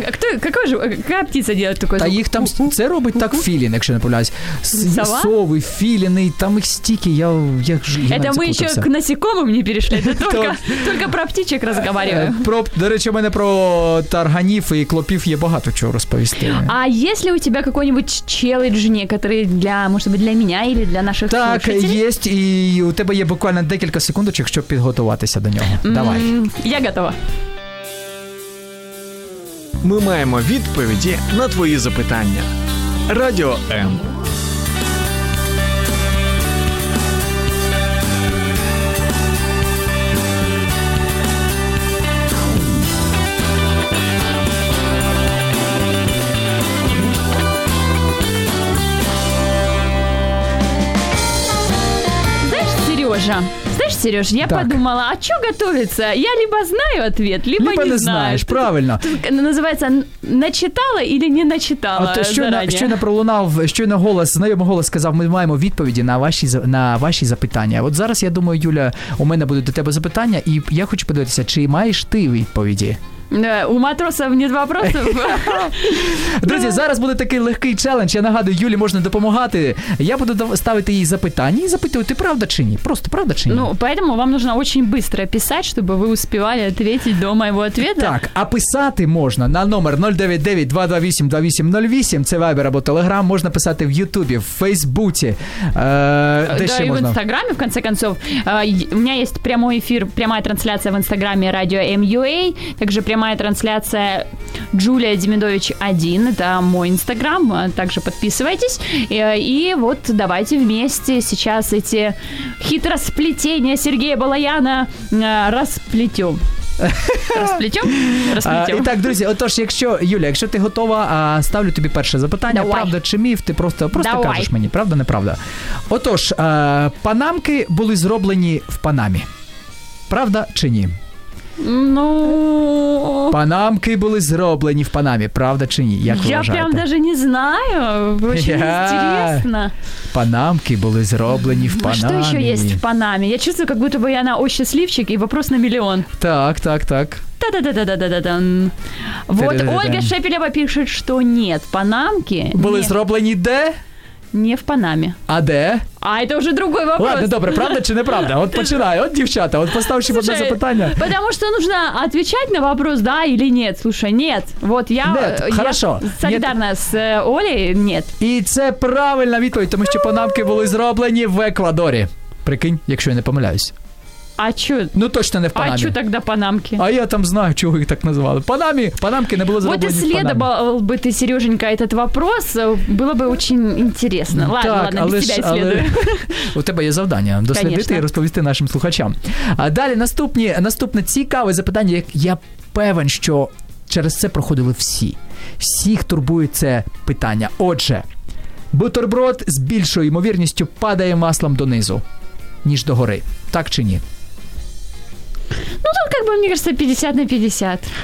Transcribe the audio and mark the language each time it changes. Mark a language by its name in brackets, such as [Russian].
[Ukrainian] А хто, яка птиця діла таку? Та їх там, це робить так філін, якщо не помиляюсь. Сова? Сови, філіни, там їх стільки, я навіть запутався. Це ми ще к насікомим не перейшли, тільки про птичок розговорюємо. До речі, у мене про тарганів і клопів є багато чого розповісти. А якщо у тебе [Russian] какой-нибудь челлендж некоторые для, может быть, для меня или для наших так, слушателей? Так, есть, и у тебя есть буквально несколько секундочек, чтобы подготовиться до него. Давай. Я готова. [Ukrainian] Мы маємо відповіді на твої запитання. [Russian] Радио М. Серьезно. Сережа. Знаешь, Сереж, я так подумала, а что готовиться? Я либо знаю ответ, либо не знаю. Знаешь, правильно. Тут называется, начитала или не начитала. [Ukrainian] От, щойно пролунав, щойно голос, знайомий голос сказав, ми маємо відповіді на ваші запитання. От зараз, я думаю, Юля, у мене буде до тебе запитання, і я хочу подивитися, чи маєш ти відповіді? У матросів не два питання. Друзі, зараз буде такий легкий челендж. Я нагадую, Юлі можна допомагати. Я буду ставити їй запитання і запитувати, правда чи ні. Просто правда чи ні. [Russian] Ну, поэтому вам нужно очень быстро писать, чтобы вы успевали ответить до моего ответа. [Ukrainian] Так, а писати можна на номер 099-228-2808. Це Viber або Telegram. Можна писати в YouTube, в Facebook. Да, ще і можна? [Russian] В Instagram, в конце концов. У меня есть прямой эфир, прямая трансляция в Instagram Radio MUA. Также прямая трансляция Джулия Демидович 1. Это мой Instagram. Также подписывайтесь. И вот давайте вместе сейчас эти хитросплетения Сергея Балаяна расплетем. [Ukrainian] Розплітьом. І так, друзі, отож, якщо, Юля, якщо ти готова, ставлю тобі перше запитання. Давай. Правда чи міф, ти просто кажеш мені, правда, неправда. Отож, панамки були зроблені в Панамі. Правда чи ні? Ну... Панамки були зроблені в Панамі. Правда чи ні? Як ви вважаєте? [Russian] Я прям даже не знаю. Очень интересно. [Ukrainian] Панамки були зроблені в Панамі. А що ще є в Панамі? [Russian] Я чувствую, как будто бы я на ось счастливчик і вопрос на мільйон. [Ukrainian] Так, так, так. Та-да-да-да-да-да-да. [Russian] Вот Ольга Шепелева пишет, что нет, панамки... [Ukrainian] Були зроблені де? Не в Панамі. А де? [Russian] А это уже другой вопрос. Ладно, [Ukrainian] добре, правда чи неправда? От починай, от дівчата, от поставши одне запитання. [Russian] Потому что нужно отвечать на вопрос, да или нет. Слушай, нет. Вот я, нет, хорошо. Я солидарна нет. С Олей, нет. [Ukrainian] І це правильна відповідь, тому що панамки були зроблені в Еквадорі. Прикинь, якщо я не помиляюсь. [Russian] А чё? [Ukrainian] Ну, точно не в Панамі. [Russian] А чё тогда панамки? [Ukrainian] А я там знаю, чого їх так назвали. Панамі, панамки не було зроблені в Панамі. [Russian] Вот исследовал бы ты, Серёженька, этот вопрос. Было бы очень интересно. Ладно, так, ладно, без тебя исследую. [Ukrainian] У тебе є завдання. Дослідити. [Russian] Конечно. [Ukrainian] І розповісти нашим слухачам. А далі наступне цікаве запитання. Я певен, що через це проходили всі. Всіх турбує це питання. Отже, бутерброд з більшою ймовірністю падає маслом донизу, ніж догори. Так чи ні? [Russian] Ну, там, как бы, мне кажется, 50 на 50.